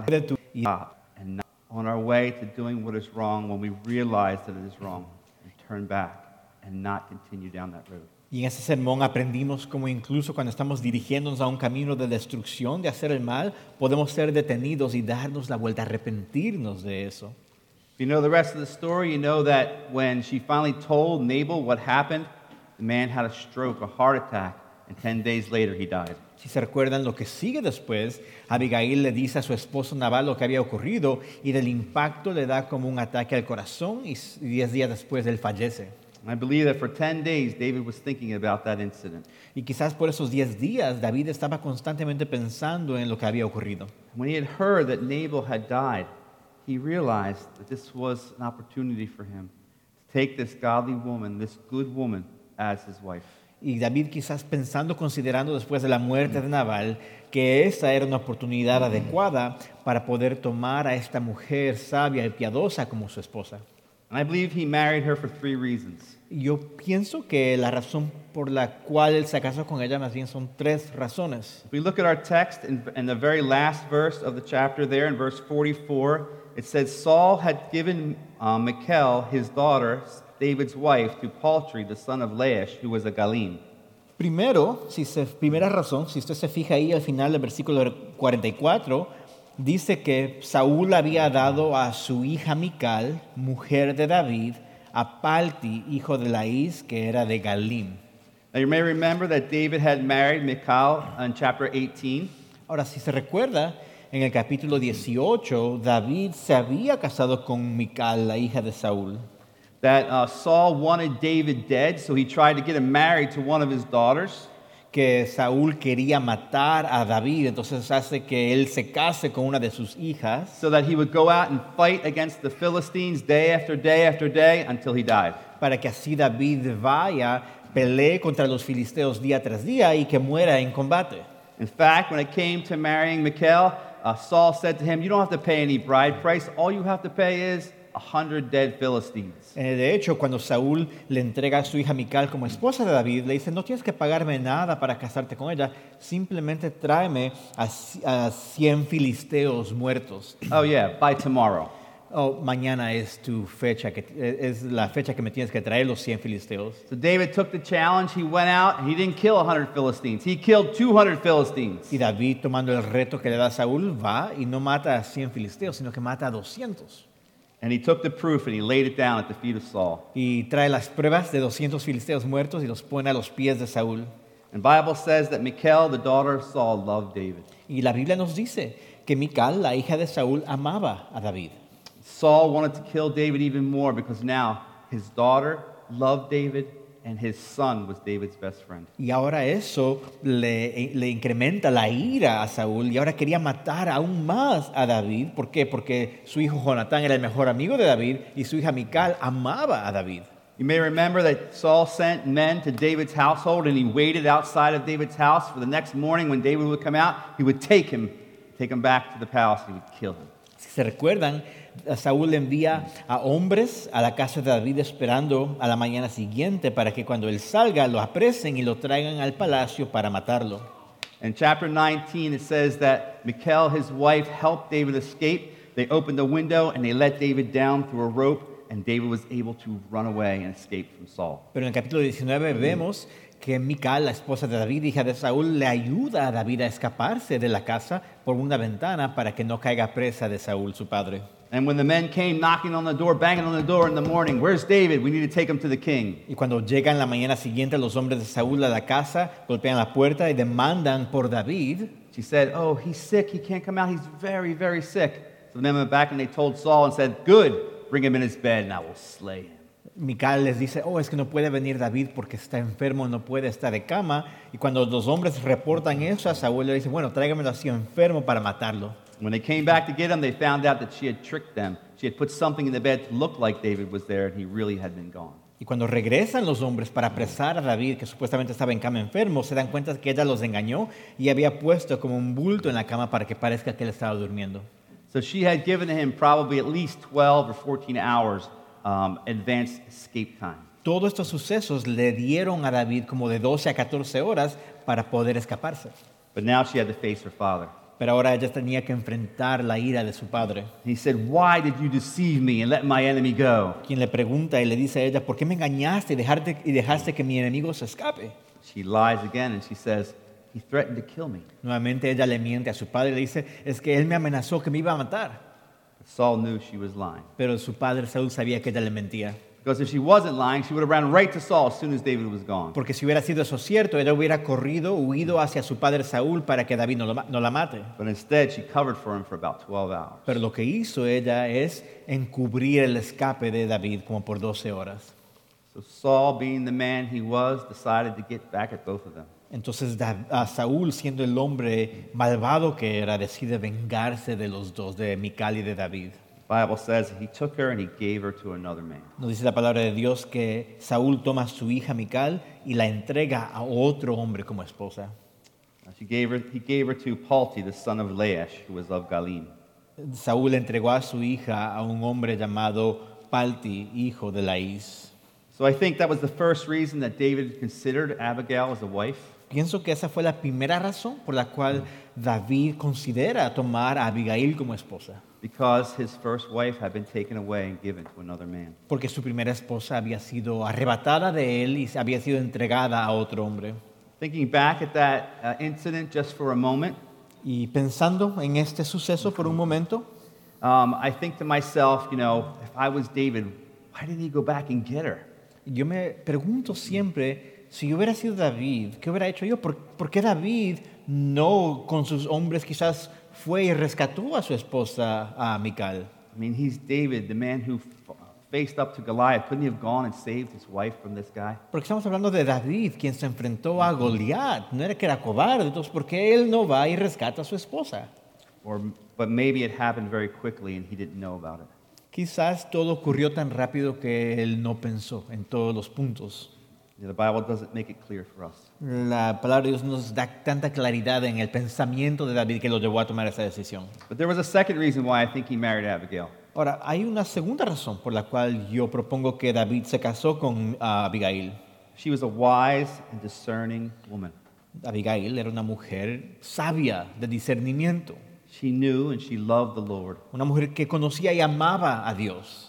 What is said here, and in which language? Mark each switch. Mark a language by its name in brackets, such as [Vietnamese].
[English] And not on our way to doing what is wrong when we realize that it is wrong and turn back and not continue down that road. [Spanish] Y en ese sermón aprendimos cómo incluso cuando estamos dirigiéndonos a un camino de destrucción, de hacer el mal, podemos ser detenidos y darnos la vuelta, arrepentirnos de eso. [English] If you know the rest of the story, you know that when she finally told Nabal what happened, the man had a stroke, a heart attack, and 10 days later he died. [Spanish] Si se recuerdan lo que sigue después, Abigail le dice a su esposo Nabal lo que había ocurrido y del impacto le da como un ataque al corazón y 10 días después él fallece. [English] I believe that for 10 days David was thinking about that incident. [Spanish] Y quizás por esos 10 días David estaba constantemente pensando en lo que había ocurrido. [English] When he had heard that Nabal had died, he realized that this was an opportunity for him to take this godly woman, this good woman, as his wife. [Spanish] Y David quizás pensando, considerando después de la muerte de Nabal, que esa era una oportunidad adecuada para poder tomar a esta mujer sabia y piadosa como su esposa. [English] And I believe he married her for 3 reasons. [Spanish] Yo pienso que la razón por la cual él se casó con ella más bien son 3 razones. [English] If we look at our text in the very last verse of the chapter there in verse 44, it says Saul had given Michal, his daughter, David's wife, to Paltry, the son of Laish, who was a Galim. [Spanish] Primero, primera razón, si usted se fija ahí al final del versículo 44, dice que Saúl había dado a su hija Mical, mujer de David, a Palti, hijo de Laís, que era de Galim. [English] Now you may remember that David had married Mical in chapter 18. [Spanish] Ahora, si se recuerda, en el capítulo 18, David se había casado con Mical, la hija de Saúl. [English] That Saul wanted David dead, so he tried to get him married to one of his daughters. [Spanish] Que Saúl quería matar a David, entonces hace que él se case con una de sus hijas. [English] So that he would go out and fight against the Philistines day after day after day until he died. [Spanish] Para que así David vaya, pelee contra los filisteos día tras día y que muera en combate. [English] In fact, when it came to marrying Michal, Saul said to him, "You don't have to pay any bride price. All you have to pay is 100 dead Philistines." [Spanish] De hecho, cuando Saúl le entrega a su hija Mical como esposa de David, le dice, no tienes que pagarme nada para casarte con ella, simplemente tráeme a 100 filisteos muertos. [English] Oh yeah, by tomorrow. [Spanish] Oh, mañana es tu fecha, es la fecha que me tienes que traer los 100 filisteos. [English] So David took the challenge, he went out, and he didn't kill 100 Philistines, he killed 200 Philistines. [Spanish] Y David, tomando el reto que le da Saúl, va y no mata a 100 filisteos, sino que mata a 200. [English] And he took the proof and he laid it down at the feet of Saul. [Spanish] Y trae las pruebas de 200 filisteos muertos y los pone a los pies de Saúl. [English] And Bible says that Michal, the daughter of Saul, loved David. [Spanish] Y la Biblia nos dice que Michal, la hija de Saúl, amaba a David. [English] Saul wanted to kill David even more because now his daughter loved David and his son was David's best friend. [Spanish] Y ahora eso le incrementa la ira a Saúl y ahora quería matar aún más a David. ¿Por qué? Porque su hijo Jonatán era el mejor amigo de David y su hija Mical amaba a David. [English] You may remember that Saul sent men to David's household and he waited outside of David's house for the next morning when David would come out, he would take him back to the palace and he would kill him. [Spanish] Si se recuerdan, Saúl envía a hombres a la casa de David esperando a la mañana siguiente para que cuando él salga lo apresen y lo traigan al palacio para matarlo. [English] In chapter 19 it says that Michal his wife helped David escape. They opened the window and they let David down through a rope and David was able to run away and escape from Saul. [Spanish] Pero en el capítulo 19 vemos que Michal, la esposa de David, hija de Saúl, le ayuda a David a escaparse de la casa por una ventana para que no caiga presa de Saúl, su padre. [English] And when the men came knocking on the door, banging on the door in the morning, "Where's David? We need to take him to the king." [Spanish] Y cuando llegan la mañana siguiente los hombres de Saúl a la casa, golpean la puerta y demandan por David. [English] She said, "Oh, he's sick. He can't come out. He's very, very sick." So the men went back and they told Saul and said, "Good, bring him in his bed and I will slay him." [Spanish] Mical les dice, oh, es que no puede venir David porque está enfermo, no puede estar de cama. Y cuando los hombres reportan eso, a Saúl le dice, bueno, tráigamelo así enfermo para matarlo. [English] When they came back to get him, they found out that she had tricked them. She had put something in the bed to look like David was there, and he really had been gone. [Spanish] Y cuando regresan los hombres para apresar a David, que supuestamente estaba en cama enfermo, se dan cuenta que ella los engañó y había puesto como un bulto en la cama para que parezca que él estaba durmiendo. [English] So she had given him probably at least 12 or 14 hours advanced escape time. [Spanish] Todos estos sucesos le dieron a David como de 12 a 14 horas para poder escaparse. [English] But now she had to face her father. [Spanish] Pero ahora ella tenía que enfrentar la ira de su padre. [English] He said, "Why did you deceive me and let my enemy go?" [Spanish] Quien le pregunta y le dice a ella, "¿Por qué me engañaste y dejaste que mi enemigo se escape?" [English] She lies again and she says, "He threatened to kill me." [Spanish] Nuevamente ella le miente a su padre y le dice, "Es que él me amenazó que me iba a matar." [English] But Saul knew she was lying. [Spanish] Pero su padre Saúl sabía que ella le mentía. [English] Because if she wasn't lying, she would have ran right to Saul as soon as David was gone. [Spanish] Porque si hubiera sido eso cierto, ella hubiera corrido, huido hacia su padre Saúl para que David no la mate. [English] But instead, she covered for him for about 12 hours. [Spanish] Pero lo que hizo ella es encubrir el escape de David como por 12 horas. [English] So Saul, being the man he was, decided to get back at both of them. [Spanish] Entonces a Saúl, siendo el hombre malvado que era, decide vengarse de los dos, de Mical y de David. [English] Bible says he took her and he gave her to another man. [Spanish] Nos dice la palabra de Dios que Saúl toma a su hija Mical y la entrega a otro hombre como esposa. [English] He gave her to Palti, the son of Laish, who was of Galim. [Spanish] Saúl entregó a su hija a un hombre llamado Palti, hijo de Laish. [English] So I think that was the first reason that David considered Abigail as a wife. [Spanish] Pienso que esa fue la primera razón por la cual David considera tomar a Abigail como esposa. [English] Because his first wife had been taken away and given to another man. [Spanish] Porque su primera esposa había sido arrebatada de él y había sido entregada a otro hombre. [English] Thinking back at that incident just for a moment. [Spanish] Y pensando en este suceso por un momento. [English] I think to myself, you know, if I was David, why didn't he go back and get her? [Spanish] Yo me pregunto siempre, si yo hubiera sido David, ¿qué hubiera hecho yo? ¿Por qué David no con sus hombres quizás fue y rescató a su esposa, a Mical? [English] I mean, he's David, the man who faced up to Goliath. Couldn't he have gone and saved his wife from this guy? [Spanish] Porque estamos hablando de David, quien se enfrentó a Goliath. No era que era cobarde, entonces, ¿por qué él no va y rescata a su esposa? [English] But maybe it happened very quickly and he didn't know about it. [Spanish] Quizás todo ocurrió tan rápido que él no pensó en todos los puntos. [English] Yeah, the Bible doesn't make it clear for us. [Spanish] La palabra de Dios nos da tanta claridad en el pensamiento de David que lo llevó a tomar esa decisión. [English] But there was a second reason why I think he married Abigail. [Spanish] Ahora, hay una segunda razón por la cual yo propongo que David se casó con Abigail. [English] She was a wise and discerning woman. [Spanish] Abigail era una mujer sabia de discernimiento. [English] She knew and she loved the Lord. [Spanish] Una mujer que conocía y amaba a Dios.